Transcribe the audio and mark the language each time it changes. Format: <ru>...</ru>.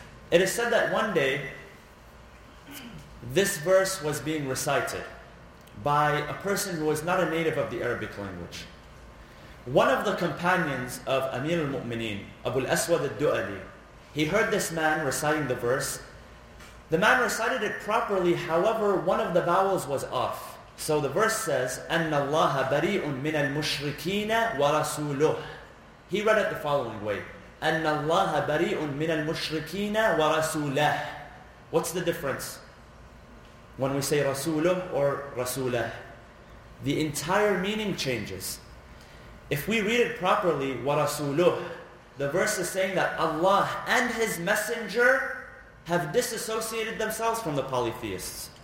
<en>It is said that one day, this verse was being recited by a person who was not a native of the Arabic language. One of the companions of Amir al-Mu'mineen, Abu al-Aswad al-Du'ali, he heard this man reciting the verse. The man recited it properly, however, one of the vowels was off. So the verse says,</en> <ar>أَنَّ اللَّهَ بَرِيءٌ مِنَ الْمُشْرِكِينَ وَرَسُولُهُ.</ar> <en>He read it the following way,</en> <ar>أَنَّ اللَّهَ بَرِيءٌ مِنَ الْمُشْرِكِينَ وَرَسُولَهُ.</ar> <en>What's the difference when we say رَسُولُهُ or رَسُولَهُ? The entire meaning changes. If we read it properly, وَرَسُولُهُ, the verse is saying that Allah and His Messenger have disassociated themselves from the polytheists.</en>